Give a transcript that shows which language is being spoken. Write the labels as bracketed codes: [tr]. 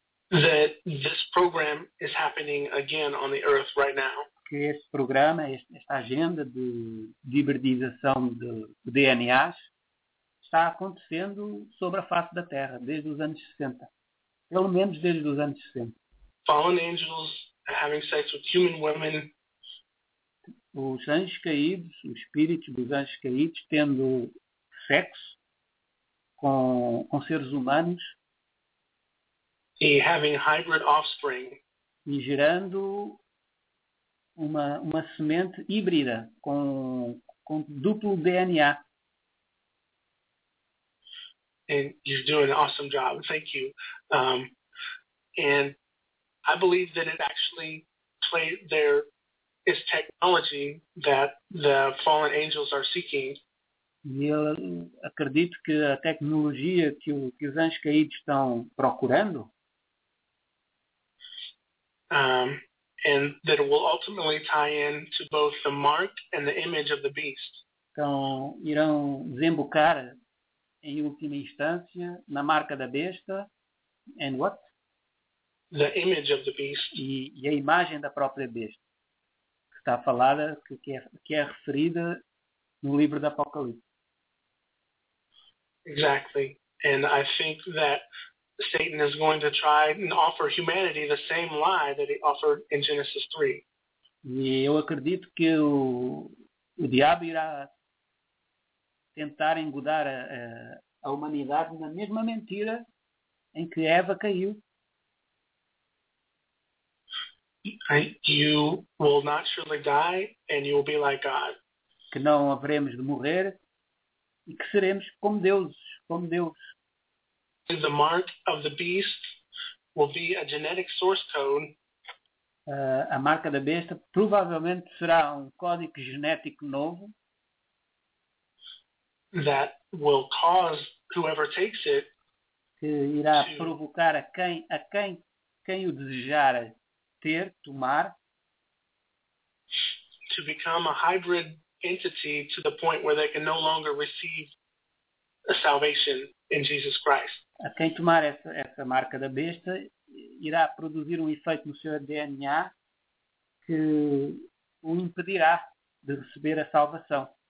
[en] that this program is happening again on the earth right now. [pt] Que este programa, esta agenda de hibridização de DNAs está acontecendo sobre a face da Terra desde os anos 60. Pelo menos desde os anos 60. [en] Fallen angels having sex with human women. [pt] Os anjos caídos, os espíritos dos anjos caídos tendo sexo com seres humanos. [en] E having hybrid offspring. [pt] E gerando uma semente híbrida com duplo DNA. [en] And you're doing an awesome job. Thank you. And I believe that it actually plays there is technology that the fallen angels are seeking. [pt] E eu acredito que a tecnologia que os anjos caídos estão procurando. [en] And that it will ultimately tie in to both the mark and the image of the beast. [pt] Então, irão desembocar em última instância na marca da besta. [en] And what? The image of the beast. [pt] E a imagem da própria besta. Que está falada, que é referida no livro do Apocalipse. [en] Exactly. And I think that Satan is going to try and offer humanity the same lie that he offered in Genesis 3. [pt] E eu acredito que o diabo irá tentar engodar a humanidade na mesma mentira em que Eva caiu. [en] You will not surely die and you will be like God. [pt] Que não haveremos de morrer e que seremos como deuses, como Deus. [en] The mark of the beast will be a genetic source code. [pt] A marca da besta provavelmente será um código genético novo. [en] That will cause whoever takes it. [pt] Que irá provocar a quem o desejar ter, tomar. [en] To become a hybrid entity to the point where they can no longer receive a salvation in Jesus Christ. [pt] A quem tomar essa marca da besta irá produzir um efeito no seu DNA que o impedirá de receber a salvação.